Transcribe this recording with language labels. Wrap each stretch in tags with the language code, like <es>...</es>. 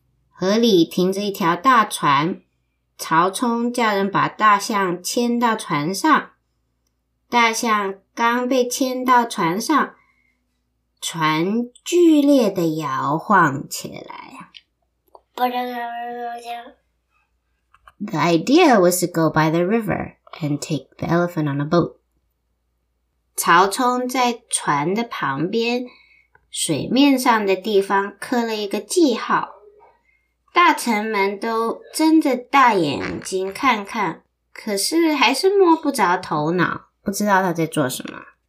<zh>河里停着一条大船，曹冲叫人把大象牵到船上。大象刚被牵到船上，船剧烈地摇晃起来。</zh> <en>The idea was to go by the river and take the elephant on a boat.</en> <zh>曹冲在船的旁边，水面上的地方刻了一个记号。大臣们都睁着大眼睛看看，可是还是摸不着头脑，不知道他在做什么。</zh>